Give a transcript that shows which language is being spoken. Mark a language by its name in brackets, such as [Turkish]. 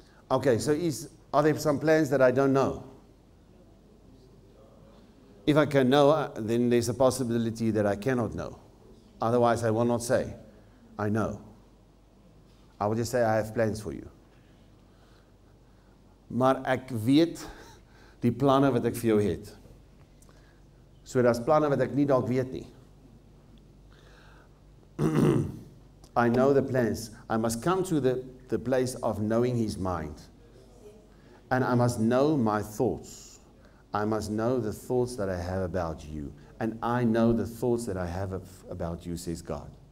[English] Okay, so are there some plans that I don't know? If I can know, then there's a possibility that I cannot know. Otherwise, I will not say, I know. I will just say, I have plans for you. [Afrikaans] Maar ek weet die planne wat ek vir jou het. So daar's planne wat ek nie dalk weet nie. [English] I know the plans. I must come to the place of knowing his mind. And I must know my thoughts. I must know the thoughts that I have about you. And I know the thoughts that I have about you, says God.